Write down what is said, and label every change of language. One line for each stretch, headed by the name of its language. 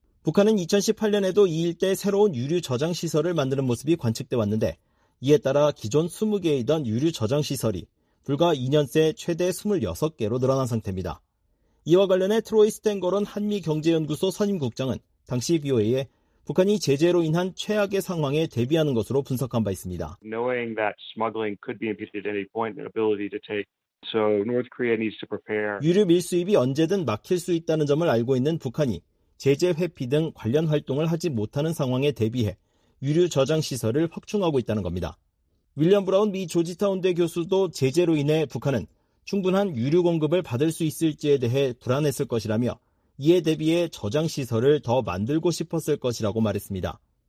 Korean: 북한은 2018년에도 이 일대 새로운 유류 저장 시설을 만드는 모습이 관측돼 왔는데 이에 따라 기존 20개이던 유류 저장 시설이 불과 2년 새 최대 26개로 늘어난 상태입니다. 이와 관련해 트로이 스탱거론 한미경제연구소 선임국장은 당시 BOA에 북한이 제재로 인한 최악의 상황에 대비하는 것으로 분석한 바 있습니다.
English: Knowing that smuggling could be impeded at any point, their ability to take. So North Korea needs to prepare.
Korean: 유류 밀수입이 언제든 막힐 수 있다는 점을 알고 있는 북한이 제재 회피 등 관련 활동을 하지 못하는 상황에 대비해 유류 저장 시설을 확충하고 있다는 겁니다. 윌리엄 브라운 미 조지타운대 교수도 제재로 인해 북한은 충분한 유류 공급을 받을 수 있을지에 대해 불안했을 것이라며 이에 대비해 저장 시설을 더 만들고 싶었을 것이라고 말했습니다.